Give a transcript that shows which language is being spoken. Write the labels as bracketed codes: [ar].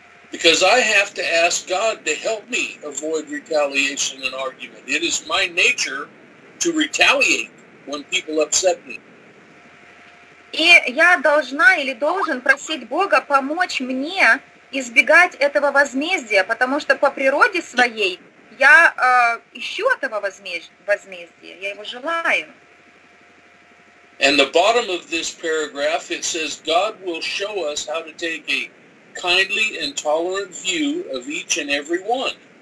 [en] Because I have to ask God to help me avoid retaliation and argument. It is my nature to retaliate when people upset me. [ru] И я должна или должен просить Бога помочь мне избегать этого возмездия, потому что по природе своей я ищу этого возмездия, я его желаю. [en] And the bottom of this paragraph, it says, God will show us how to take a kindly and tolerant view of each and every one.